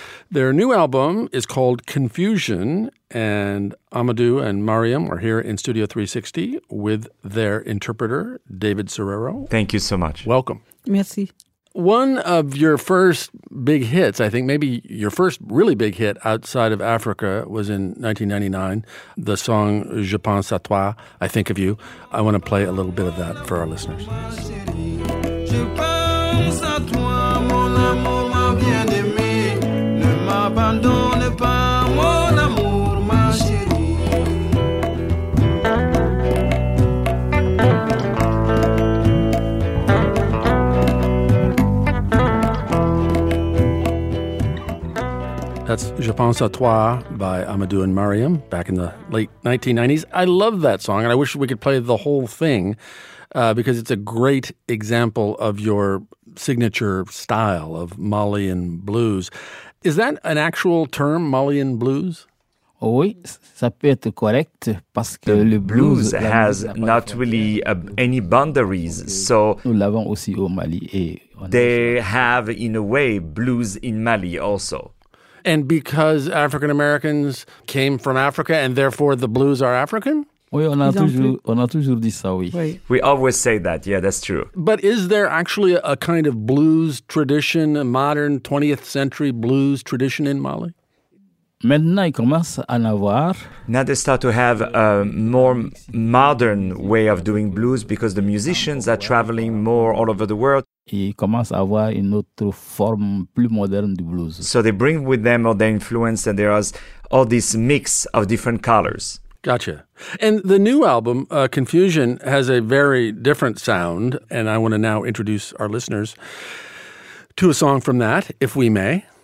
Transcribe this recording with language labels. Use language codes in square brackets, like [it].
[en] Their new album is called Confusion, and Amadou and Mariam are here in Studio 360 with their interpreter, David Serrero. Thank you so much. Welcome. [fr] Merci. [en] One of your first big hits, I think maybe your first really big hit outside of Africa was in 1999, the song Je Pense à Toi, I Think of You. I want to play a little bit of that for our listeners. [fr] Je pense à toi, mon amour, ma bien-aimée. Ne m'abandonne pas, mon amour, ma chérie. [en] That's Je Pense à Toi by Amadou and Mariam back in the late 1990s. I love that song, and I wish we could play the whole thing because it's a great example of your signature style of Malian blues. Is that an actual term, Malian blues? [fr] Oui, ça peut être correct parce que le [en] blues has not really any boundaries. So [fr] nous l'avons aussi au Mali et [en] they have, in a way, blues in Mali also. And because African Americans came from Africa and therefore the blues are African? [fr] Oui, on a toujours dit ça, oui. [en] We always say that. Yeah, that's true. But is there actually a kind of blues tradition, a modern 20th century blues tradition in Mali? [fr] Maintenant, il commence à en avoir. [en] Now they start to have a more modern way of doing blues because the musicians are traveling more all over the world. [fr] Il commence à avoir une autre forme plus moderne du blues. [en] So they bring with them all their influence and there is all this mix of different colors. Gotcha. And the new album, Confusion, has a very different sound. And I want to now introduce our listeners to a song from that, if we may.